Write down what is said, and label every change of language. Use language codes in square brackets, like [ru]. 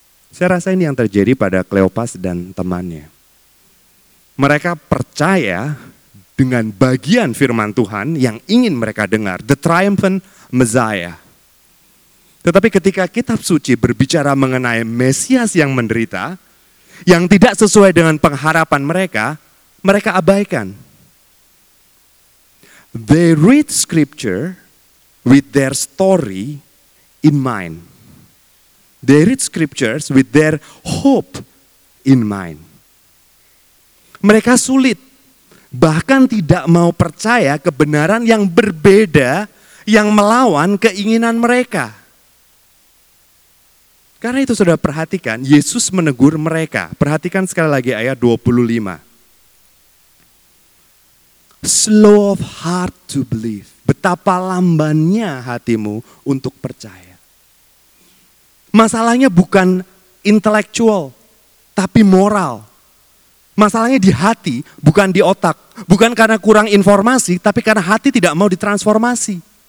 [id] Saya rasa ini yang terjadi pada Kleopas dan temannya. Mereka percaya dengan bagian firman Tuhan yang ingin mereka dengar, [en] the triumphant Messiah. [id] Tetapi ketika kitab suci berbicara mengenai Mesias yang menderita, yang tidak sesuai dengan pengharapan mereka, mereka abaikan. [en] They read scripture with their story in mind. They read scriptures with their hope in mind. [id] Mereka sulit, bahkan tidak mau percaya kebenaran yang berbeda, yang melawan keinginan mereka. Karena itu sudah perhatikan, Yesus menegur mereka. Perhatikan sekali lagi ayat 25. [en] Slow of heart to believe. [id] Betapa lambannya hatimu untuk percaya. Masalahnya bukan intelektual, tapi moral. Masalahnya di hati, bukan di otak. Bukan karena kurang informasi, tapi karena hati tidak mau ditransformasi.